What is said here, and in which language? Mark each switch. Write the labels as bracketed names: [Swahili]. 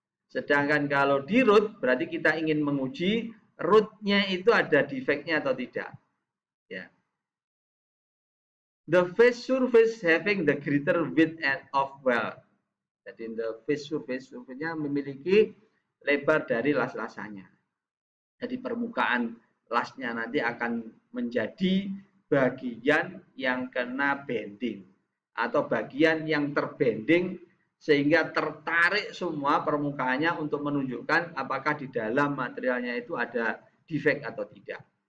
[Indonesian] Sedangkan kalau di root, berarti kita ingin menguji rootnya itu ada defectnya atau tidak. Ya. [English] The face surface having the greater width of weld. [Indonesian] Jadi [English] the face surface-nya [Indonesian] memiliki lebar dari las-lasannya. Jadi permukaan lasnya nanti akan menjadi bagian yang kena bending, atau bagian yang terbending sehingga tertarik semua permukaannya untuk menunjukkan apakah di dalam materialnya itu ada defect atau tidak.